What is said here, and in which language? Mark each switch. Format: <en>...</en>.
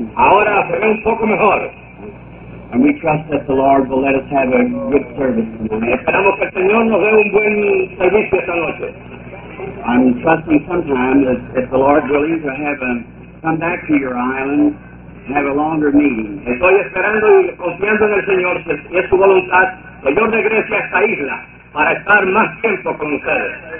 <es>Ahora se ve un poco mejor.</es> <en>And we trust that the Lord will let us have a good service tonight.</en> <es>Esperamos que el Señor nos dé un buen servicio esta noche.</es> <en>I'm trusting sometime that if the Lord willing to have a come back to your island and have a longer meeting.</en> <es>Estoy esperando y confiando en el Señor si es su voluntad que yo regrese a esta isla para estar más tiempo con ustedes.</es>